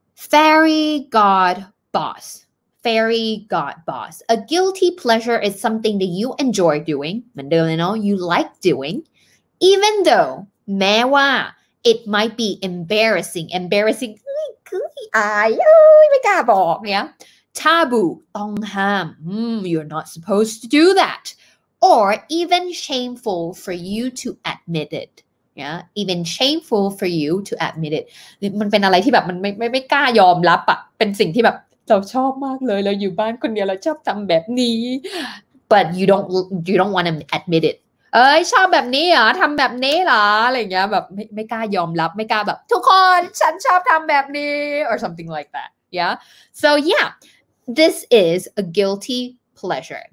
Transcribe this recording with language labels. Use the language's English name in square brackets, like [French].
[English] Fairy God Boss Fairy God Boss a guilty pleasure is something that you enjoy doing [Thai] เหมือนเดิมเลยเนาะ [English] you like doing even though แม้ว่า it might be embarrassing [Thai] อุ้ยคืออายไม่กล้าบอกเนี่ย [English] Taboo, [Thai] ต้องห้าม [English] you're not supposed to do that. Or even shameful for you to admit it. Yeah, even shameful for you to admit it. [Thai] มันเป็นอะไรที่แบบมันไม่กล้ายอมรับอ่ะเป็นสิ่งที่แบบเราชอบมากเลยเราอยู่บ้านคนเดียวเราชอบทำแบบนี้ [English] but you don't want to admit it. [Thai] เอ้ยชอบแบบนี้เหรอทำแบบนี้เหรออะไรเงี้ยแบบไม่กล้ายอมรับไม่กล้าแบบทุกคนฉันชอบทำแบบนี้ [English] or something like that. Yeah. So yeah, this is a guilty pleasure.